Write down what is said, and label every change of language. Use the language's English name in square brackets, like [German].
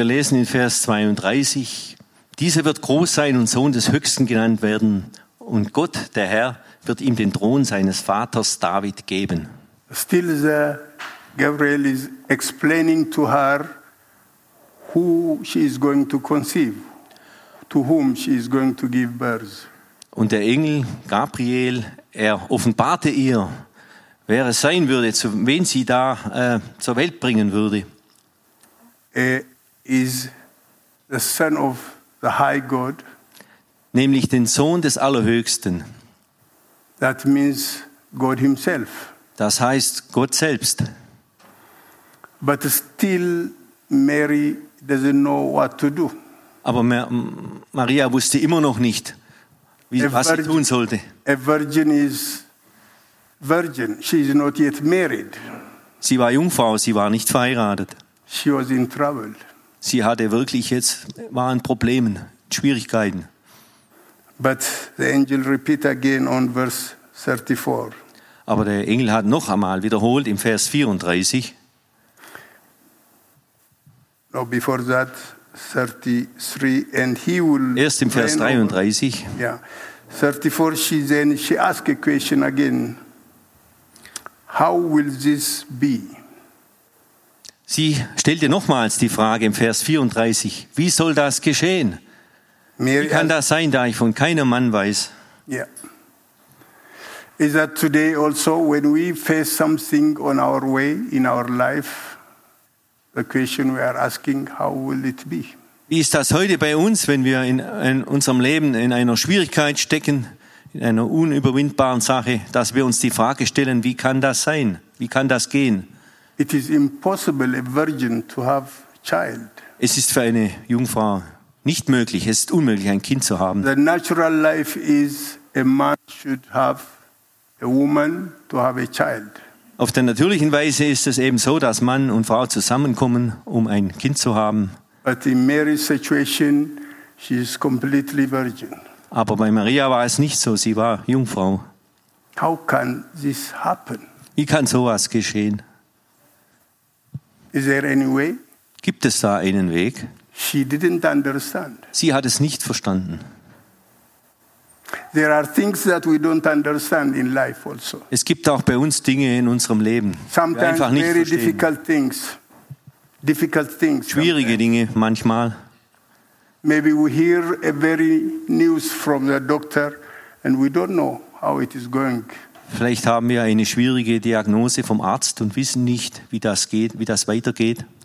[German] Wir lesen in Vers 32, dieser wird groß sein und Sohn des Höchsten genannt werden, und Gott, der Herr, wird ihm den Thron seines Vaters David geben. [English] Still the Gabriel is explaining to her who she is going to conceive. To whom she is going to give birth. [German] Und der Engel Gabriel, er offenbarte ihr, wer es sein würde, zu wen sie da zur Welt bringen würde. [English] Er is the son of the high God. [German] Nämlich den Sohn des Allerhöchsten. [English] That means God himself. [German] Das heißt Gott selbst. [English] But still Mary doesn't know what to do. [German] Aber Maria wusste immer noch nicht, was sie tun sollte. [English] A virgin is virgin. She is not yet married. [German] Sie war Jungfrau, sie war nicht verheiratet. [English] She was in trouble. [German] Sie hatte wirklich jetzt, waren Probleme, Schwierigkeiten. [English] But the angel repeat again on verse 34. [German] Aber der Engel hat noch einmal wiederholt im Vers 34. [English] No, before that. 33, and he will [German] erst im Vers 33. [English] Ja. 34, she asked a question again. How will this be? [German] Sie stellte nochmals die Frage im Vers 34. Wie soll das geschehen? Mary, wie kann das sein, da ich von keinem Mann weiß? Ja. [English] Is that today also, when we face something on our way in our life, the question we are asking, how will it be? [German] Wie ist das heute bei uns, wenn wir in unserem Leben in einer Schwierigkeit stecken, in einer unüberwindbaren Sache, dass wir uns die Frage stellen, wie kann das sein? Wie kann das gehen? [English] It is impossible a virgin to have child. [German] Es ist für eine Jungfrau nicht möglich, es ist unmöglich, ein Kind zu haben. [English] The natural life is a man should have a woman to have a child. [German] Auf der natürlichen Weise ist es eben so, dass Mann und Frau zusammenkommen, um ein Kind zu haben. [English] But in Mary's situation, she is completely virgin. [German] Aber bei Maria war es nicht so, sie war Jungfrau. [English] How can this happen? [German] Wie kann sowas geschehen? [English] Is there any way? [German] Gibt es da einen Weg? [English] She didn't understand. [German] Sie hat es nicht verstanden. [English] There are things that we don't understand in life also. [German] Es gibt auch bei uns Dinge in unserem Leben, [English] sometimes [German] die wir einfach nicht [English] very [German] verstehen. [English] Difficult things. [German] Schwierige Dinge manchmal. [English] Maybe we hear a very news from the doctor and we don't know how it is going. [German] Vielleicht haben wir eine schwierige Diagnose vom Arzt und wissen nicht, wie das geht, wie das weitergeht.